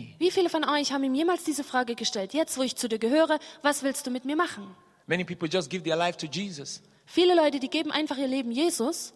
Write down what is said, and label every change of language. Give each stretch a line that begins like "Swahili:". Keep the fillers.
German: viele von euch haben ihm jemals diese Frage gestellt, jetzt wo ich zu dir gehöre, was willst du mit mir machen?
English: Many people just give their life to Jesus.
German: Viele Leute, die geben einfach ihr Leben Jesus.